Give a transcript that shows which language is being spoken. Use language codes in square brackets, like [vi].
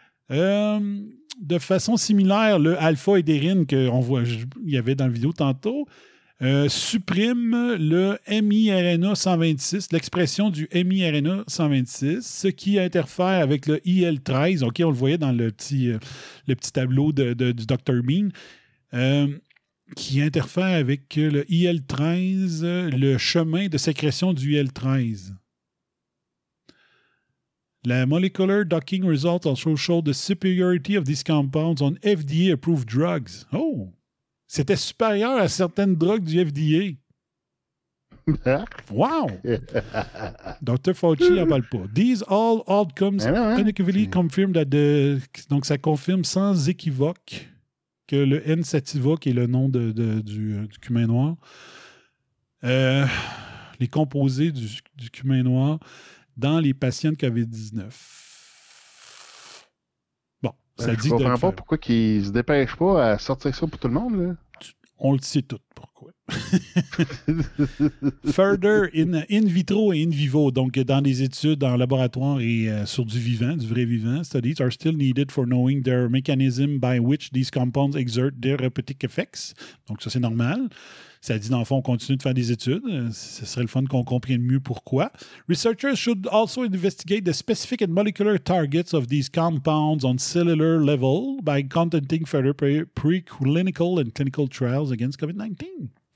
[fr] De façon similaire, le alpha-hédérine qu'on voit, il y avait dans la vidéo tantôt, supprime le miRNA 126, l'expression du miRNA 126, ce qui interfère avec le IL-13. OK, on le voyait dans le petit tableau du Dr. Bean, qui interfère avec le IL-13, le chemin de sécrétion du IL-13. [en] La molecular docking results also show the superiority of these compounds on FDA-approved drugs. [fr] Oh! C'était supérieur à certaines drogues du FDA. Wow! Dr. Fauci n'en parle pas. [en] These all outcomes unequivocally confirm that the... [fr] Donc, ça confirme sans équivoque que le N. sativa, qui est le nom du cumin noir, les composés du cumin noir dans les patients de COVID-19. Bon, ça dit... Je ne comprends pas pourquoi ils ne se dépêchent pas à sortir ça pour tout le monde, là. On le sait tout, pourquoi. [en] Further, [fr] in vitro et in vivo, donc dans des études en laboratoire et sur du vivant, du vrai vivant, [en] studies are still needed for knowing their mechanism by which these compounds exert therapeutic effects. [fr] Donc ça, c'est normal. Ça dit, dans le fond, on continue de faire des études. Ce serait le fun qu'on comprenne mieux pourquoi. [en] Researchers should also investigate the specific and molecular targets of these compounds on cellular level by conducting further preclinical and clinical trials against COVID-19.